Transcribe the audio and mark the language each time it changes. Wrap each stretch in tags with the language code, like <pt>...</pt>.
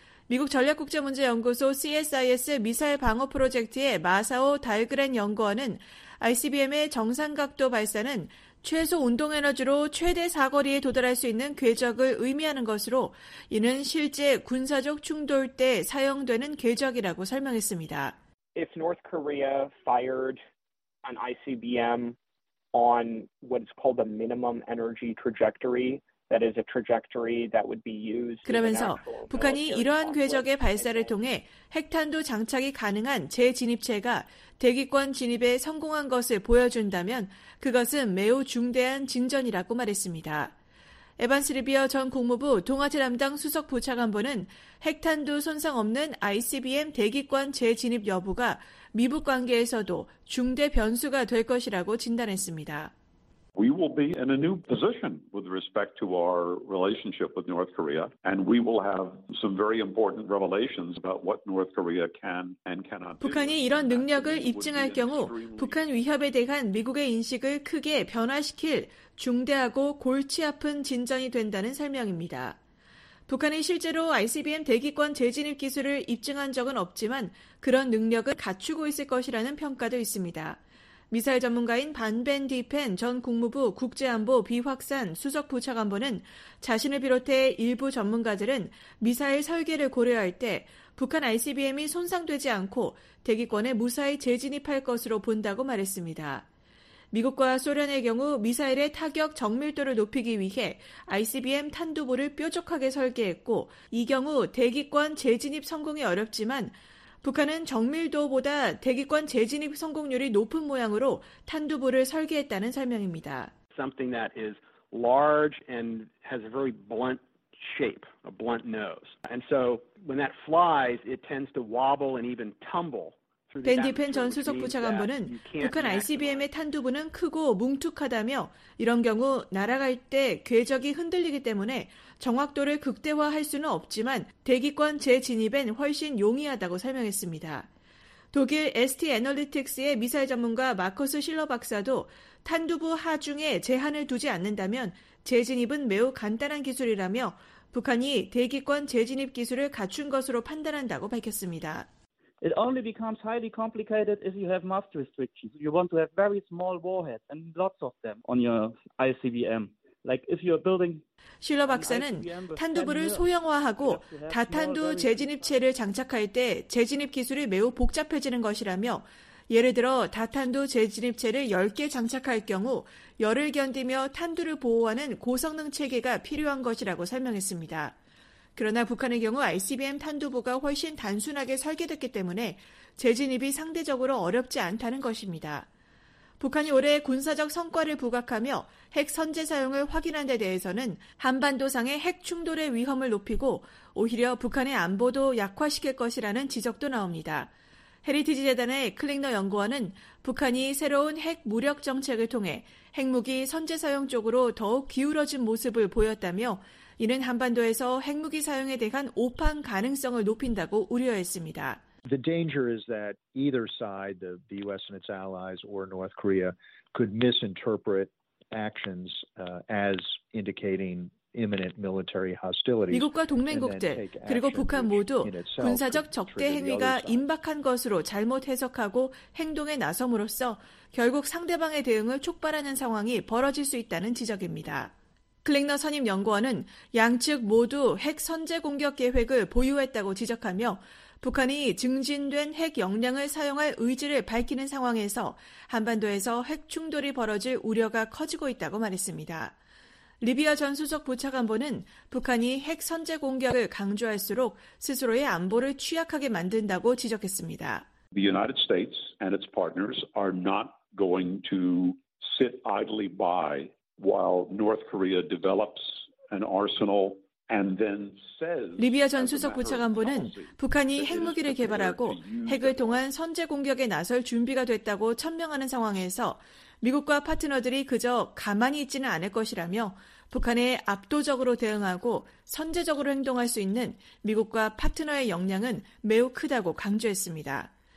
<ko>미국 전략국제문제연구소 CSIS 미사일 방어 프로젝트의 마사오 달그렌 연구원은 ICBM의 정상각도 발사는 최소 운동에너지로 최대 사거리에 도달할 수 있는 궤적을 의미하는 것으로 이는 실제 군사적 충돌 때 사용되는 궤적이라고 설명했습니다.</ko> <en>If North Korea fired an ICBM on what's called a minimum energy trajectory, that is a trajectory that would be used.</en> <ko>그러면서 북한이 이러한 궤적의 발사를 통해 핵탄두 장착이 가능한 재진입체가 대기권 진입에 성공한 것을 보여준다면 그것은 매우 중대한 진전이라고 말했습니다. 에반스 리비어 전 국무부 동아시아 담당 수석 부차관보는 핵탄두 손상 없는 ICBM 대기권 재진입 여부가 미북 관계에서도 중대 변수가 될 것이라고 진단했습니다.</ko> <en>We will be in a new position with respect to our relationship with North Korea, and we will have some very important revelations about what North Korea can and cannot do.</en> <ko>북한이 이런 능력을 입증할 경우 북한 위협에 대한 미국의 인식을 크게 변화시킬 중대하고 골치 아픈 진전이 된다는 설명입니다. 북한이 실제로 ICBM 대기권 재진입 기술을 입증한 적은 없지만 그런 능력을 갖추고 있을 것이라는 평가도 있습니다. 미사일 전문가인 반벤 디펜 전 국무부 국제안보 비확산 수석 부차관보는 자신을 비롯해 일부 전문가들은 미사일 설계를 고려할 때 북한 ICBM이 손상되지 않고 대기권에 무사히 재진입할 것으로 본다고 말했습니다. 미국과 소련의 경우 미사일의 타격 정밀도를 높이기 위해 ICBM 탄두보를 뾰족하게 설계했고 이 경우 대기권 재진입 성공이 어렵지만 북한은 정밀도보다 대기권 재진입 성공률이 높은 모양으로 탄두보를 설계했다는 설명입니다.</ko> <en>Something that is large and has a very blunt shape, a blunt nose. And so when that flies, it tends to wobble and even tumble.</en> <ko>벤디펜 전 수석 부차관보는 북한 ICBM의 탄두부는 크고 뭉툭하다며 이런 경우 날아갈 때 궤적이 흔들리기 때문에 정확도를 극대화할 수는 없지만 대기권 재진입엔 훨씬 용이하다고 설명했습니다. 독일 ST 애널리틱스의 미사일 전문가 마커스 실러 박사도 탄두부 하중에 제한을 두지 않는다면 재진입은 매우 간단한 기술이라며 북한이 대기권 재진입 기술을 갖춘 것으로 판단한다고 밝혔습니다.</ko> <en>It only becomes highly complicated if you have mass restrictions. You want to have very small warheads and lots of them on your ICBM.</en> <ko>실러 박사는 탄두부를 소형화하고 다탄두 재진입체를 장착할 때 재진입 기술이 매우 복잡해지는 것이라며 예를 들어 다탄두 재진입체를 10개 장착할 경우 열을 견디며 탄두를 보호하는 고성능 체계가 필요한 것이라고 설명했습니다. 그러나 북한의 경우 ICBM 탄두부가 훨씬 단순하게 설계됐기 때문에 재진입이 상대적으로 어렵지 않다는 것입니다. 북한이 올해 군사적 성과를 부각하며 핵 선제 사용을 확인한 데 대해서는 한반도상의 핵 충돌의 위험을 높이고 오히려 북한의 안보도 약화시킬 것이라는 지적도 나옵니다. 헤리티지 재단의 클링너 연구원은 북한이 새로운 핵 무력 정책을 통해 핵무기 선제 사용 쪽으로 더욱 기울어진 모습을 보였다며 이는 한반도에서 핵무기 사용에 대한 오판 가능성을 높인다고 우려했습니다.</ko> <en>The danger is that either side, the U.S. and its allies or North Korea, could misinterpret actions as indicating imminent military hostilities.</en> <ko>미국과 동맹국들 그리고 북한 모두 군사적 적대 행위가 임박한 것으로 잘못 해석하고 행동에 나섬으로써 결국 상대방의 대응을 촉발하는 상황이 벌어질 수 있다는 지적입니다. 클링너 선임 연구원은 양측 모두 핵 선제 공격 계획을 보유했다고 지적하며 북한이 증진된 핵 역량을 사용할 의지를 밝히는 상황에서 한반도에서 핵 충돌이 벌어질 우려가 커지고 있다고 말했습니다. 리비아 전 수석 부차관보는 북한이 핵 선제 공격을 강조할수록 스스로의 안보를 취약하게 만든다고 지적했습니다.</ko> <en>The United States and its partners are not going to sit idly by while North Korea develops an arsenal.</en> <ko>리비아 전 수석 부차관보는 북한이 핵무기를 개발하고 핵을 통한 선제 공격에 나설 준비가 됐다고 천명하는 상황에서 미국과 파트너들이 그저 가만히 있지는 않을 것이라며 북한에 압도적으로 대응하고 선제적으로 행동할 수 있는 미국과 파트너의 역량은 매우 크다고 강조했습니다.</ko>